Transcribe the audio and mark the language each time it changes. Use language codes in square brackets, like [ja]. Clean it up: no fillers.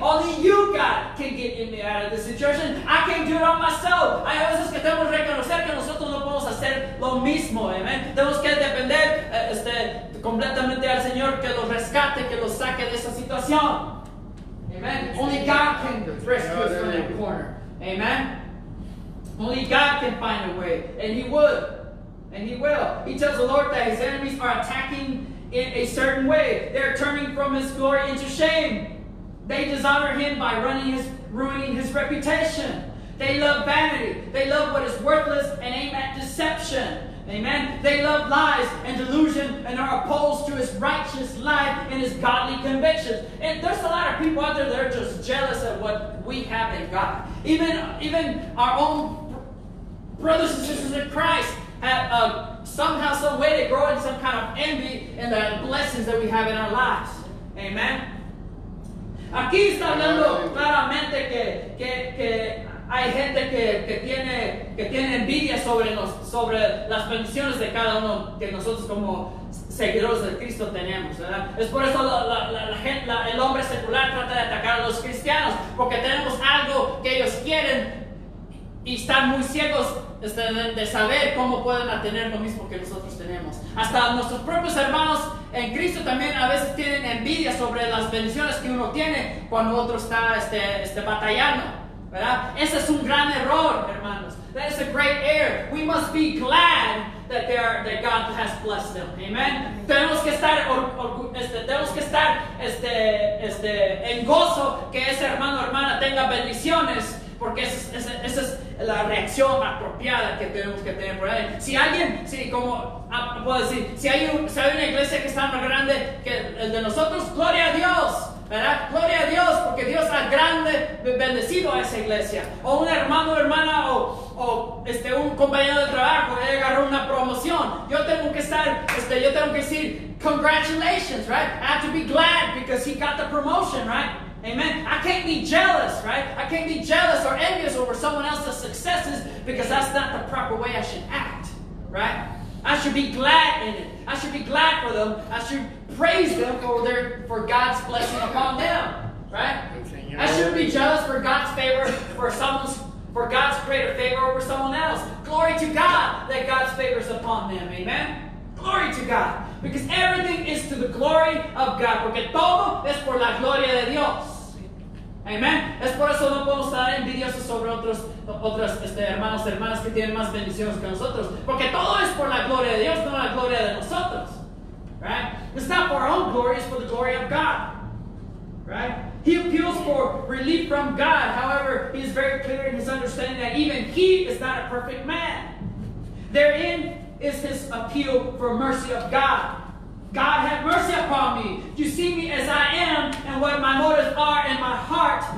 [en] Only you, God, can get me out of this situation. I can't do it on myself. [es] Hay veces que tenemos que reconocer que nosotros no podemos hacer lo mismo. Amen. Tenemos que depender completamente al Señor que los rescate, que los saque de esa situación. Amen. [en] Only God can rescue us from that corner. Amen. Only God can find a way, and he would, and he will. He tells the Lord that his enemies are attacking in a certain way. They're turning from his glory into shame. They dishonor him by ruining his reputation. They love vanity. They love what is worthless and aim at deception. Amen. They love lies and delusion and are opposed to his righteous life and his godly convictions. And there's a lot of people out there that are just jealous of what we have in God. Even our own brothers and sisters in Christ have somehow, some way, to grow in some kind of envy in the blessings that we have in our lives. Amen. [es] Aquí está hablando claramente que hay gente que tiene envidia sobre las bendiciones de cada uno que nosotros como seguidores de Cristo tenemos, ¿verdad? Es por eso el hombre secular trata de atacar a los cristianos porque tenemos algo que ellos quieren y están muy ciegos de saber cómo pueden tener lo mismo que nosotros tenemos. Hasta nuestros propios hermanos en Cristo también a veces tienen envidia sobre las bendiciones que uno tiene cuando otro está batallando, ¿verdad? Ese es un gran error, hermanos. [en] That is a great error. We must be glad that God has blessed them. Amen. [es] Tenemos que estar en gozo que ese hermano o hermana tenga bendiciones, porque esa es la reacción apropiada que tenemos que tener por él. Si alguien, si como puedo decir, si hay una iglesia que está más grande que el de nosotros, gloria a Dios, ¿verdad? Gloria a Dios, porque Dios ha grande bendecido a esa iglesia. O un hermano o hermana, o este, un compañero de trabajo, él agarró una promoción. Yo tengo que estar, este, yo tengo que decir, [en] congratulations, right? I have to be glad because he got the promotion, right? Amen. I can't be jealous, right? I can't be jealous or envious over someone else's successes because that's not the proper way I should act, right? I should be glad in it. I should be glad for them. I should praise them for God's blessing upon them, right? I shouldn't be jealous for God's favor for God's greater favor over someone else. Glory to God that God's favor is upon them. Amen. Glory to God. Because everything is to the glory of God. [es] Porque todo es por la gloria de Dios. Amen. Es por eso no podemos estar envidiosos sobre otros este, hermanos y hermanas que tienen más bendiciones que nosotros. Porque todo es por la gloria de Dios, no la gloria de nosotros. [en] Right? It's not for our own glory, it's for the glory of God. Right? He appeals for relief from God. However, he is very clear in his understanding that even he is not a perfect man. Therein is his appeal for mercy of God. God, have mercy upon me. You see me as I am and what my motives are in my heart.